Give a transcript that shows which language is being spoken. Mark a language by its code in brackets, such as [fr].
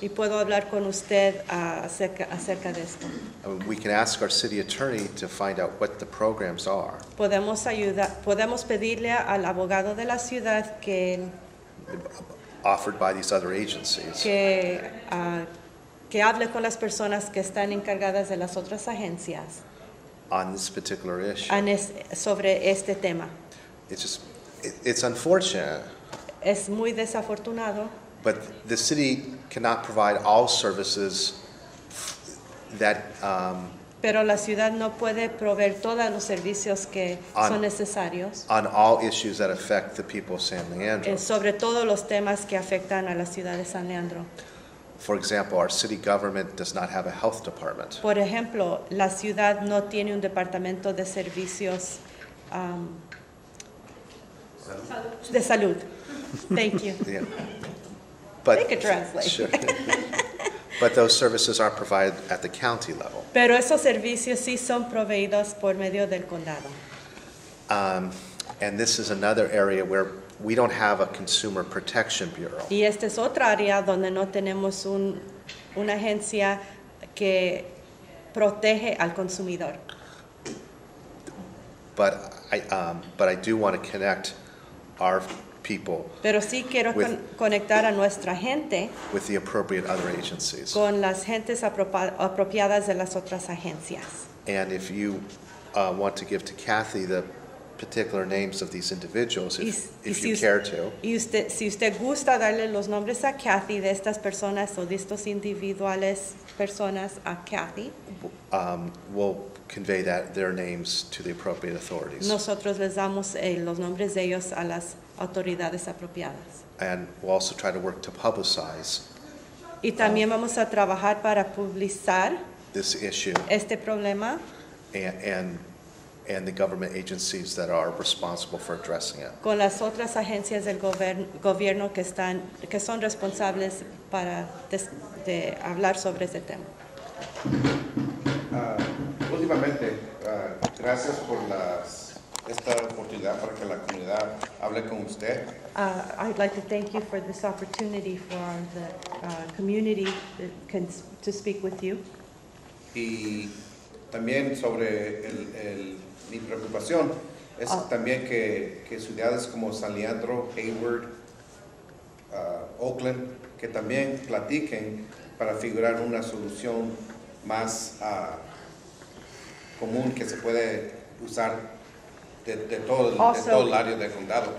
[es] Y puedo hablar con usted acerca de esto. [en] We can ask our city attorney to find out what the programs are. [es] Podemos pedirle al abogado de la ciudad que [en] offered by these other agencies. [es] Que hable con las personas que están encargadas de las otras agencias. [en] On this particular issue. [es] Sobre este tema. [en] It's unfortunate. [es] Es muy desafortunado. [en] But the city cannot provide all services that. [es] Pero la ciudad no puede proveer todos los servicios que son necesarios. [en] On all issues that affect the people of San Leandro. [es] Sobre todos los temas que afectan a la ciudad de San Leandro. [en] For example, our city government does not have a health department. [es] Por ejemplo, la ciudad no tiene un departamento de servicios de salud. [en] Thank you. Yeah. But they could translate. Sure. But those services are provided at the county level. [es] Pero esos servicios sí son proveídos por medio del condado. [en] And this is another area where we don't have a Consumer Protection Bureau. [es] Y esta es otra área donde no tenemos una agencia que protege al consumidor. [en] But I do want to connect our people. [es] Pero sí quiero conectar a nuestra gente [en] with the appropriate other agencies. [es] Con las gentes apropiadas de las otras agencias. [en] And if you want to give to Kathy the particular names of these individuals, [es] si usted gusta darle los nombres a Kathy de estas personas o de estos individuales personas a Kathy, [en] we'll convey that their names to the appropriate authorities. [es] Nosotros les damos los nombres de ellos a las autoridades apropiadas. [en] And we'll also try to work to publicize. [es] Y también vamos a trabajar para publicar [en] this issue. [es] Este problema. [en] and the government agencies that are responsible for addressing it. [es] Con las otras agencias del gobierno que están que son responsables para de hablar sobre ese tema. Últimamente, gracias por esta oportunidad para que la comunidad hable con usted. [en] I'd like to thank you for this opportunity for the community to speak with you. [es] Y también sobre mi preocupación es también que ciudades como San Leandro, Hayward, Oakland, que también platiquen para figurar una solución más común que se puede usar de todo el área del condado.